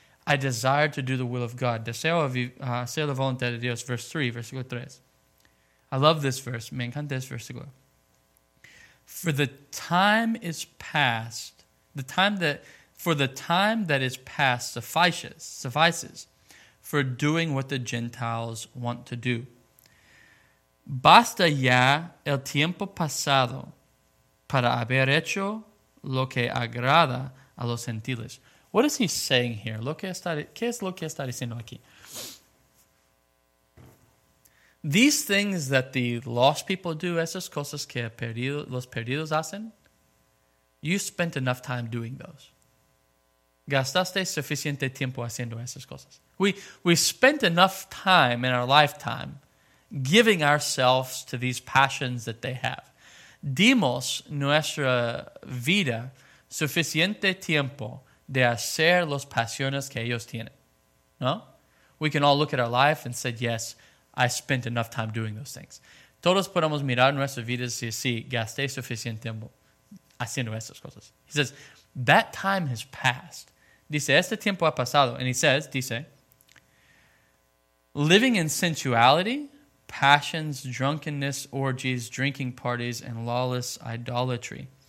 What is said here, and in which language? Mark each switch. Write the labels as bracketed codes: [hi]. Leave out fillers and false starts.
[en] I desire to do the will of God. [es] Deseo hacer la voluntad de Dios. [en] Verse 3. I love this verse. [es] Me encanta este versículo. [en] For the time is past, the time that is past suffices for doing what the Gentiles want to do. [es] Basta ya el tiempo pasado para haber hecho lo que agrada a los gentiles. [en] What is he saying here? [es] ¿Qué es lo que está diciendo aquí? [en] These things that the lost people do, [es] esas cosas que los perdidos hacen, [en] you spent enough time doing those. [es] Gastaste suficiente tiempo haciendo esas cosas. [en] We spent enough time in our lifetime giving ourselves to these passions that they have. [es] Dimos nuestra vida suficiente tiempo de hacer las pasiones que ellos tienen. ¿No? [en] We can all look at our life and say, yes, I spent enough time doing those things. [es] Todos podemos mirar nuestras vidas y decir, sí, gasté suficiente tiempo haciendo esas cosas. [en] He says, that time has passed. [es] Dice, este tiempo ha pasado. [en] And he says, dice, living in sensuality, passions, drunkenness, orgies, drinking parties, and lawless idolatry.